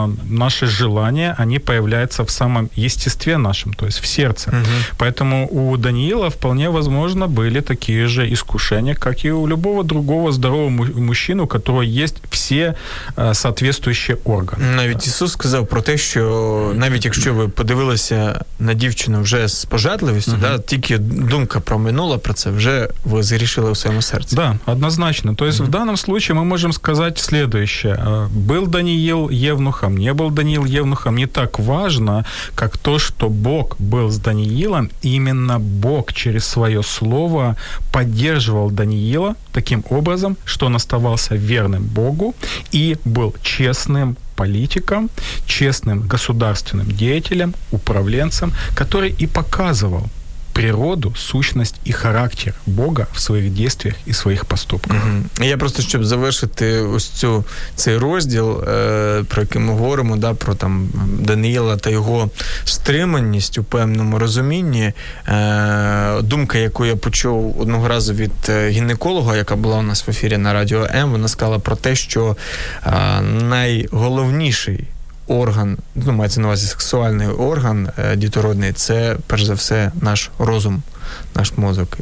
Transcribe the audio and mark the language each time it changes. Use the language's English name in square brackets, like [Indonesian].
[Russian] наши желания, они появляются в самом естестве нашем, то есть в сердце. Угу. Поэтому у Даниила вполне возможно были такие же искушения, как и у любого другого здорового мужчины, у которого есть все соответствующие органы. [Ukrainian] Навіть Ісус сказав про те, що навіть якщо ви подивилися на дівчину вже з пожадливістю, угу. да, тільки думка про минуле, про це вже ви зрішили у своєму серці. [Russian] Да, однозначно. [Ukrainian] То есть угу. в даному [Russian] случае [Ukrainian] ми можемо сказати [Russian] следующее. Был Даниил евнухом, не был Даниил евнухом, не так важно, как то, что Бог был с Даниилом, именно Бог через свое слово поддерживал Даниила таким образом, что он оставался верным Богу и был честным политиком, честным государственным деятелем, управленцем, который и показывал природу, сущность [Ukrainian] і характер Бога в своїх діях і своїх поступках. Угу. Я просто, щоб завершити ось цю, цей розділ, про який ми говоримо, да, про там Даниїла та його стриманість у певному розумінні, думка, яку я почув одного разу від гінеколога, яка була у нас в ефірі на Радіо М, вона сказала про те, що найголовніший орган, ну, мається на увазі сексуальний орган дітородний, це, перш за все, наш розум, наш мозок.